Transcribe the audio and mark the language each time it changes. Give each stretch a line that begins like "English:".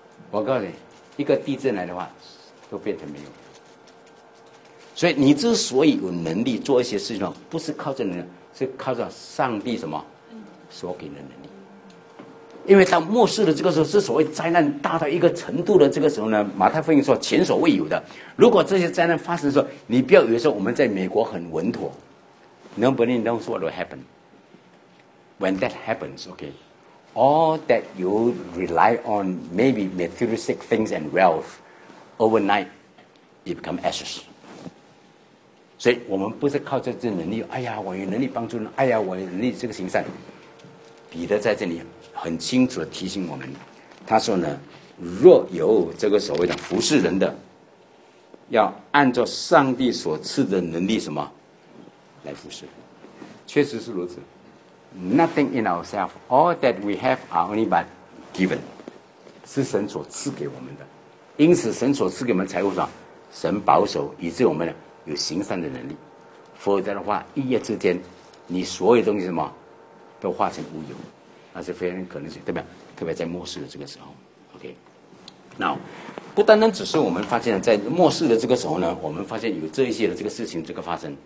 Chinese: 我告诉你，一个地震来的话，都变成没有。所以你之所以有能力做一些事情，不是靠着能力，是靠着上帝什么所给的能力。因为到末世的这个时候，是所谓灾难大到一个程度的这个时候呢，马太福音说前所未有的。如果这些灾难发生的时候，你不要以为说我们在美国很稳妥。
English: Nobody knows what will happen. When that happens, okay, all that you rely on, maybe materialistic things and wealth, overnight, it become ashes.
Chinese: 所以我们不是靠着这能力，哎呀，我有能力帮助人，哎呀，我有能力这个行善。彼得在这里很清楚地提醒我们，他说呢，若有这个所谓的服侍人的，要按照上帝所赐的能力什么来服侍。确实是如此。
English: Nothing in ourselves, all that we have are only but given,
Chinese: 是神所赐给我们的。因此神所赐给我们财务上，神保守以致我们有行善的能力，否则的话，一夜之间你所有东西什么都化成乌有，那是非常可能性，对吧？特别在末世的这个时候 ，OK。那不单单只是我们发现，在末世的这个时候呢，我们发现有这一些的这个事情这个发生。